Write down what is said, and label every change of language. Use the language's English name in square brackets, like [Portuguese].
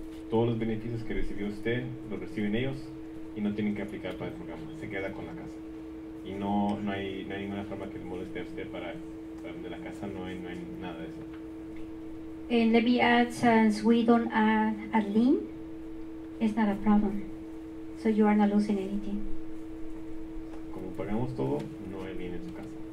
[Spanish] Todos los beneficios que recibió usted, los reciben ellos y no tienen que aplicar para el programa. Se queda con la casa. Y no hay ninguna forma que le moleste a usted para vender la casa, no hay nada de eso. [English] And let me add, since we don't add a lien, it's not a problem. So you are not losing anything. [Spanish] Como pagamos todo, no hay lien en su casa.